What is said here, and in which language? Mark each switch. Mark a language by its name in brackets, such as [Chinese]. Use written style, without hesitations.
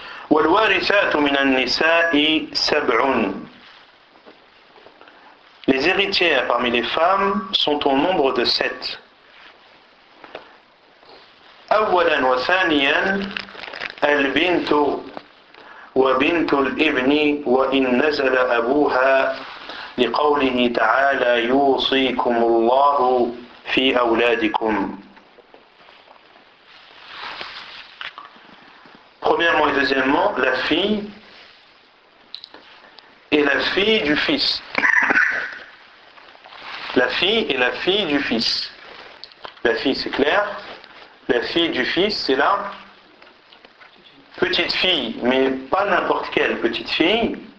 [Arabic] والوارثات من النساء سبع. [French] Les héritières parmi les femmes sont au nombre de sept. [Arabic] أولا وثانيا البنت وبنت الابن وإن نزل أبوها لقوله تعالى يوصيكم الله في أولادكم. [French] Premièrement et deuxièmement, la fille et la fille du fils. La fille et la fille du fils. La fille, c'est clair. La fille du fils, c'est la petite fille, mais pas n'importe quelle petite fille.